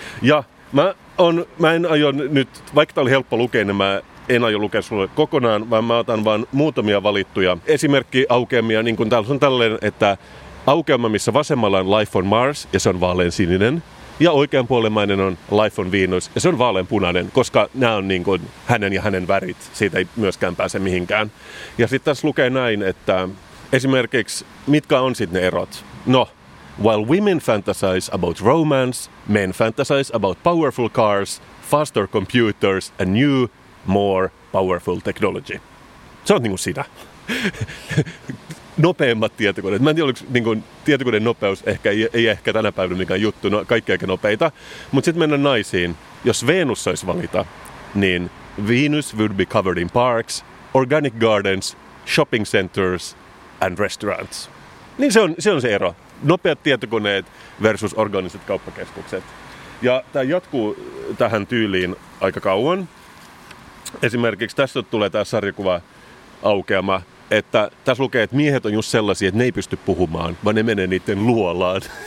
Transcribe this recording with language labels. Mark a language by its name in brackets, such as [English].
[Finnish] Ja mä en aio nyt, vaikka tämä oli helppo lukea, niin mä en aio lukea sulle kokonaan, vaan mä otan vaan muutamia valittuja esimerkki aukeamia, niin kuin täällä on tälleen, että aukeama, missä vasemmalla on Life on Mars, ja se on vaaleansininen, ja oikeanpuolemainen on Life on Venus, ja se on vaaleanpunainen, koska nämä on niin kuin hänen ja hänen värit, siitä ei myöskään pääse mihinkään. Ja sitten tässä lukee näin, että esimerkiksi, mitkä on sitten ne erot? [English] No, while women fantasize about romance, men fantasize about powerful cars, faster computers, a new, more powerful technology. [Finnish] Se on niinku sitä. Nopeimmat tietokoneet. Mä en tiedä, oliko niinku tietokoneen nopeus ehkä, ei ehkä tänä päivänä mikään juttu, no kaikki aika nopeita. Mutta sitten mennään naisiin. Jos Venus saisi valita, niin [English] Venus would be covered in parks, organic gardens, shopping centers and restaurants. [Finnish] Niin se on se ero. Nopeat tietokoneet versus organiset kauppakeskukset. Ja tämä jatkuu tähän tyyliin aika kauan. Esimerkiksi tässä tulee tämä sarjakuva aukeama, että tässä lukee, että miehet on just sellaisia, että ne ei pysty puhumaan, vaan ne menee niiden luolaan.